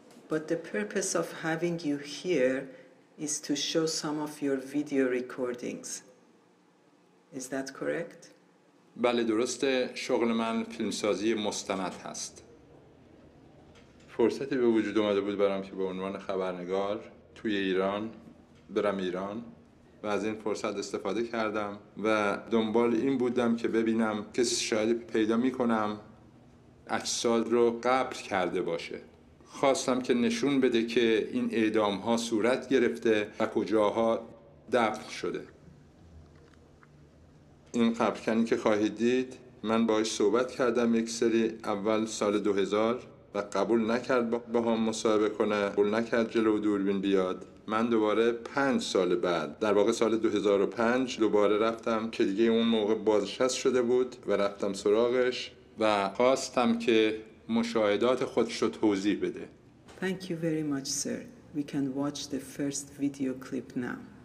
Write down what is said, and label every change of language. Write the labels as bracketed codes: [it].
[en] But the purpose of having you here is to show some of your video recordings. Is that correct? [fa] بله درسته، شغل من فیلمسازی مستند هست. فرصتی به وجود اومده بود برام که به عنوان خبرنگار توی ایران برم ایران و از این فرصت استفاده کردم و دنبال این بودم که ببینم کسی شاید پیدا میکنم اجساد رو قبر کرده باشه. خواستم که نشون بده که این اعدام ها صورت گرفته و کجاها دفن شده. این قبرکنی که خواهید دید من باهاش صحبت کردم یک سری اول سال 2000 و قبول نکرد باهام مصاحبه کنه، قبول نکرد جلو دوربین بیاد. من دوباره 5 سال بعد، در واقع سال 2005 دوباره رفتم که دیگه اون موقع بازنشسته شده بود و رفتم سراغش و خواستم که مشاهدات خودش رو توضیح بده. [en] Thank you very much, sir. We can watch the first video clip now.